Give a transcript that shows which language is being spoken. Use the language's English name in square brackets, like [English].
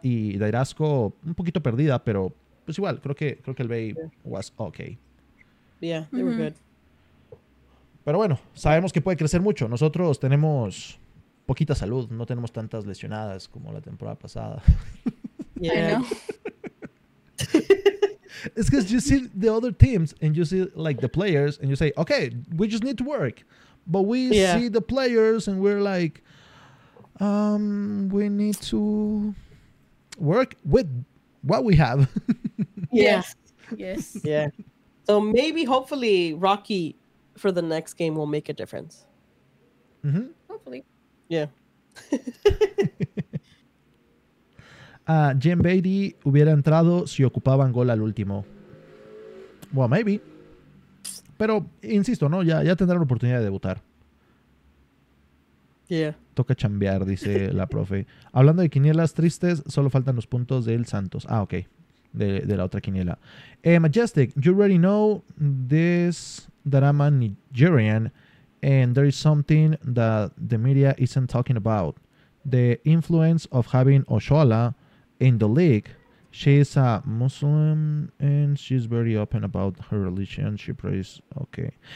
[Spanish] Y Dairasco, un poquito perdida, pero... Pues igual, creo que el Bay [English] was okay. Yeah, they were good. [Spanish] Pero bueno, sabemos que puede crecer mucho. Nosotros tenemos poquita salud, no tenemos tantas lesionadas como la temporada pasada. [English] Yeah. I know. It's because you see the other teams and you see like the players and you say, okay, we just need to work. But we see the players and we're like, we need to work with what we have. Yes. So maybe, hopefully, Rocky for the next game will make a difference. Hopefully. Yeah. [Spanish] Jim Beatty hubiera entrado si ocupaban gol al último. [English] Well, maybe. [Spanish] Pero insisto, ¿no? Ya tendrá la oportunidad de debutar. [English] Yeah. [Spanish] Toca chambear, dice la profe. Hablando de quinielas tristes, solo faltan los puntos del Santos. Ah, ok. De la otra quiniela. [English] Majestic, you already know this drama Nigerian and there is something that the media isn't talking about. The influence of having Oshoala in the league. She's a Muslim and she's very open about her religion. She prays. Okay.